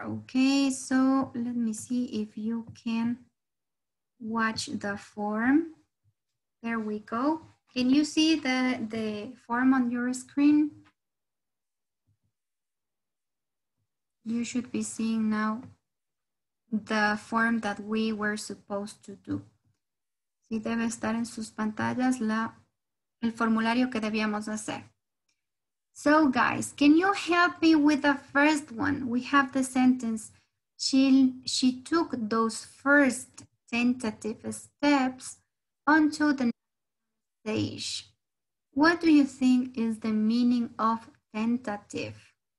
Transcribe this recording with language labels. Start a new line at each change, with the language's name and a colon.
English: Okay, so let me see if you can watch the form. There we go. Can you see the form on your screen? You should be seeing now the form that we were supposed to do.
Spanish: Sí, debe estar en sus pantallas el formulario que debíamos hacer.
English: So guys, can you help me with the first one? We have the sentence, she took those first tentative steps onto the stage. What do you think is the meaning of tentative?